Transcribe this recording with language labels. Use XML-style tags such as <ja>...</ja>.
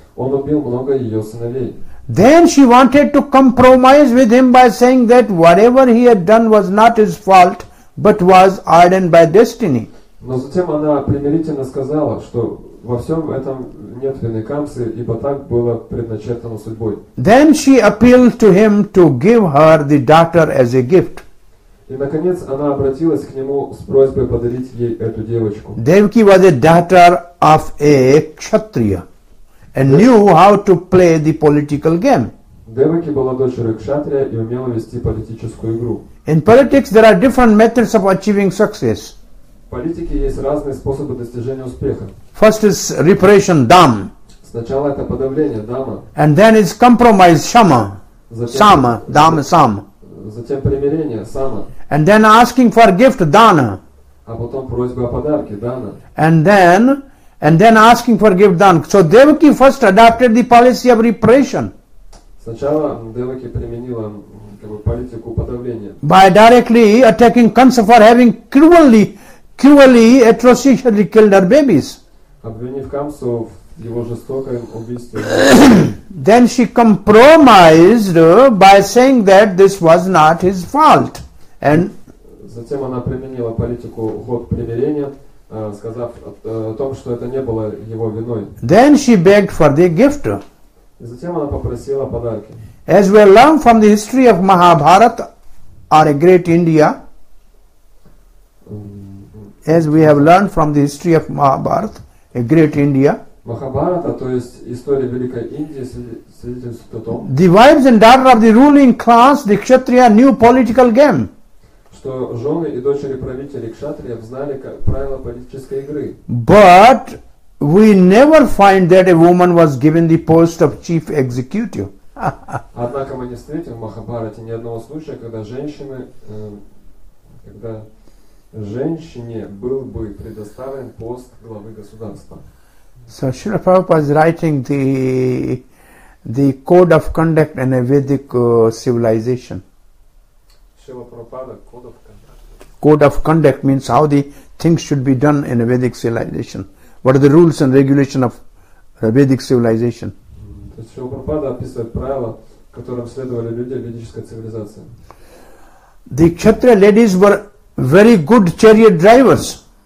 <en>Then she wanted to compromise with him by saying that whatever he had done was not his fault, but was ordained by destiny.</en> <ru>Но затем она примирительно сказала, что во всем этом нет вины Камсы, ибо так было предначертано судьбой.</ru> <en>Then she appealed to him to give her the daughter as a gift.</en> <ru>И наконец она обратилась к нему с просьбой подарить ей эту девочку.</ru> <en>Devaki was a daughter of a kshatriya and knew how to play the political game.</en> <ru>Devaki была дочерью кшатрия и умела вести политическую игру.</ru> <en>In politics there are different methods of achieving success.</en> <ru>В политике есть разные способы достижения успеха.</ru> <en>First is repression, dam.</en> <ru>Сначала это подавление, дама.</ru> <en>And then is compromise, shama. Sama.</en> <ru>Затем примирение, sama.</ru> <en>And then asking for gift, dana.</en> <ru>А потом просьба о подарке, dana.</ru> <en>And then asking for gift, dana. So Devaki first adopted the policy of repression.</en> <ru>Сначала Devaki применила политику подавления.</ru> <en>By directly attacking Kamsa for having cruelly, atrociously killed her babies.</en> <ru>Обвинив Камсу в его жестоком убийстве.</ru> <en>Then she compromised by saying that this was not his fault. And</en> <ru>затем она применила политику ход примирения, сказав о том, что это не было его виной.</ru> <en>Then she begged for the gift.</en> <ru>Затем она попросила подарки.</ru> <en>As we learn from the history of Mahabharata or a great India, as we have learned from the history of Mahabharata, a great India.</en> <ru>Mahabharata, то есть история великой Индии, свидетельствует о том.</ru> <en>The wives and daughters of the ruling class, the kshatriya, knew political game.</en> <ru>Что жены и дочери правителей кшатриев знали правила политической игры.</ru> <en>But we never find that a woman was given the post of chief executive.</en> <ru>Однако мы не встретим в Махабхарате ни одного случая, когда женщине был бы предоставлен пост главы государства.</ru> <en>So Srila Prabhupada is writing the code of conduct in a Vedic civilization. Srila Prabhupada, code of conduct. Code of conduct means how the things should be done in a Vedic civilization. What are the rules and regulations of a Vedic civilization?</en> <ru>То есть Srila Prabhupada описывает правила, которым следовали люди ведической цивилизации.</ru> <en>The Kshatriya ladies were very good chariot drivers.</en>